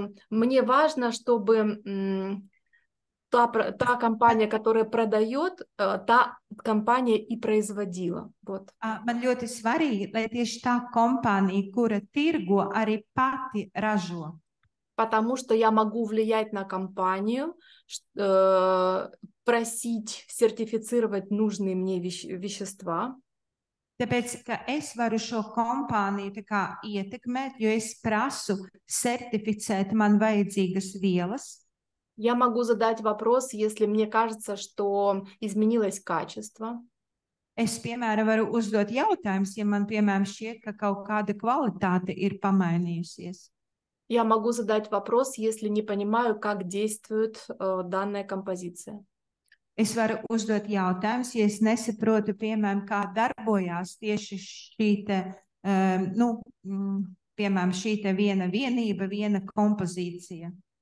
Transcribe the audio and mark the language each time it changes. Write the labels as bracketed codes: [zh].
[ru] Мне важно, чтобы та компания, которая продает, та компания и производила. Вот. [lv] Man ļoti svarīgi, lai tieši tā kompānija, kura tirgo, arī pati ražo. [ru] Потому что я могу влиять на компанию, просить сертифицировать нужные мне вещества. [lv] Tāpēc, ka es varu šo kompāniju tā kā ietekmēt, jo es prasu sertificēt man vajadzīgas vielas. [ru] Я могу задать вопрос, если мне кажется, что изменилось качество. [lv] Es, piemēram, varu uzdot jautājums, ja man, piemēram, šķiet, ka kaut kāda kvalitāte ir pamainījusies. [ru] Я могу задать вопрос, если не понимаю, как действует данная композиция. [lv] Es varu uzdot jautājums, ja es nesaprotu, piemēram, kā darbojās tieši šī te, nu, piemēram, šī te viena vienība, viena kompozīcija.